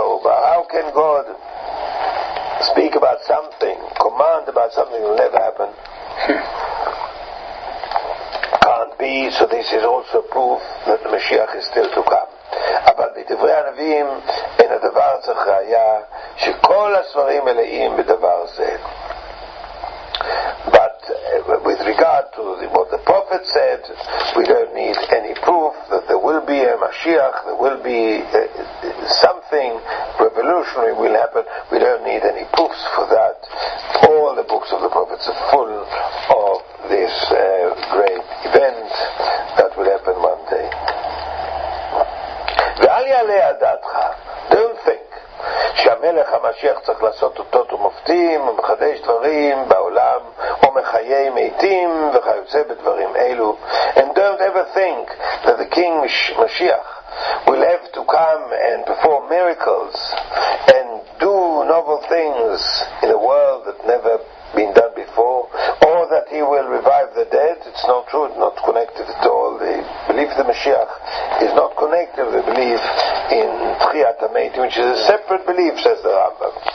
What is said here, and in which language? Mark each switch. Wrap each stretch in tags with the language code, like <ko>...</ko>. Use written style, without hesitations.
<en>How can God speak about something, command about something that will never happen? Can't be, so this is also proof that the Mashiach is still to come. But the Divrei</en> <he>רבים אין הדבר צריך ראייה שכל הספרים מלאים בדבר זה.</he> <en>But with regard to what the prophet said, we don't need any proof that there will be a Mashiach, there will be something revolutionary will happen. We don't need any proofs for that. All the books of the prophets are full of this great event that will happen one day.</en> <he>ואל יעלה על דעתך,</he> <en>don't think</en> <he>שהמלך המשיח צריך לעשות אותות ומופתים ומחדש דברים בעולם או מחיי מתים וכיוצא בדברים אלו.</he> <en>And don't ever think that the king משיח will have to come and perform miracles and do novel things in a world that never been done before, or that he will revive the dead. It's not true, it's not connected at all. The belief of the Mashiach is not connected with the belief in Tchiyat HaMetim, which is a separate belief, says the Rambam.</en>